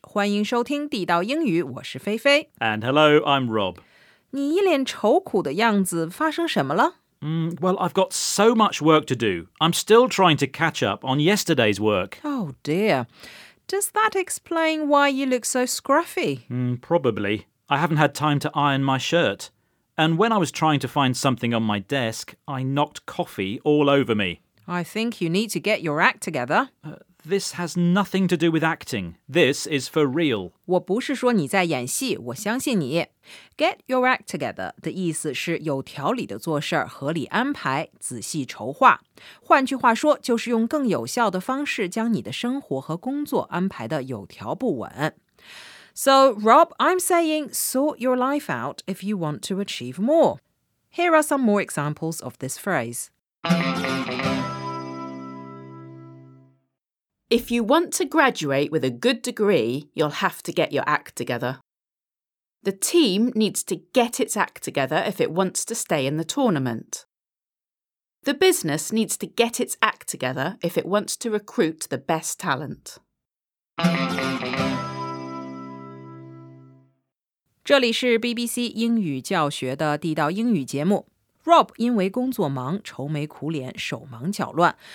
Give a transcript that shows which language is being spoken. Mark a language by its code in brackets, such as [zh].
[zh] 欢迎收听地道英语，我是菲菲。 [en] And hello, I'm Rob. [zh] 你一脸愁苦的样子，发生什么了？ [en] Well, I've got so much work to do. I'm still trying to catch up on yesterday's work. Oh, dear. Does that explain why you look so scruffy? Probably. I haven't had time to iron my shirt. And when I was trying to find something on my desk, I knocked coffee all over me. I think you need to get your act together. This has nothing to do with acting. This is for real. [zh] 我不是说你在演戏，我相信你。 [en] Get your act together [zh] 的意思是有条理的做事，合理安排，仔细筹划。换句话说，就是用更有效的方式将你的生活和工作安排得有条不紊。 [en] So, Rob, I'm saying sort your life out if you want to achieve more. Here are some more examples of this phrase. If you want to graduate with a good degree, you'll have to get your act together. The team needs to get its act together if it wants to stay in the tournament. The business needs to get its act together if it wants to recruit the best talent. [zh] 这里是 BBC 英语教学的地道英语节目。 Rob 因为工作忙，愁眉苦脸，手忙脚乱。